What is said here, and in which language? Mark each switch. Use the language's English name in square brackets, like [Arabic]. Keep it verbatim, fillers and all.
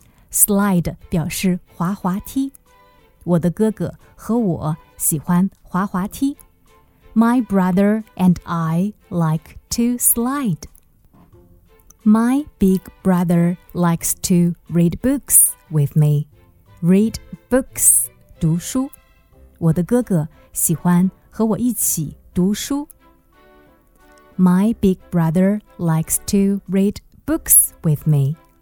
[Chinese] Slide 表示滑滑梯，我的哥哥和我喜欢滑滑梯。 [English] My brother and I like to slide. My big brother likes to read books with me. Read books, 读书。 [Chinese] 我的哥哥喜欢和我一起读书。 [English] My big brother likes to read books with me.